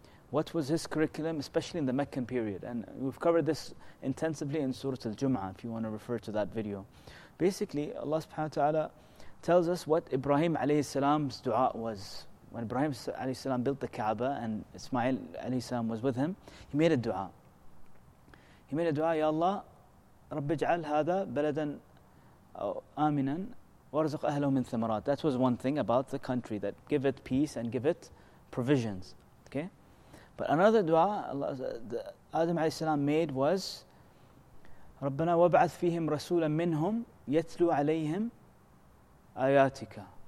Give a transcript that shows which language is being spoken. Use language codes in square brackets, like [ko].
[en] What was his curriculum, especially in the Meccan period? And we've covered this intensively in Surah Al-Jum'ah, if you want to refer to that video. Basically, Allah subhanahu wa ta'ala tells us what Ibrahim alayhi salam's dua was. When Ibrahim alayhi salam built the Kaaba and Ismail alayhi salam was with him, he made a dua. He made a dua, Ya Allah, [ar] رَبِّ اجْعَلْ هَذَا بَلَدًا آمِنًا وَرَزُقْ أَهْلَهُ مِنْ ثَمَرَاتٍ. [en] That was one thing about the country, that give it peace and give it provisions. Okay, but another dua Adam alayhi salam made was, [ar] رَبَّنَا وَبْعَثْ فِيهِمْ رَسُولًا مِّنْهُمْ يَتْلُوا عَلَيْهِمْ آيَاتِكَ.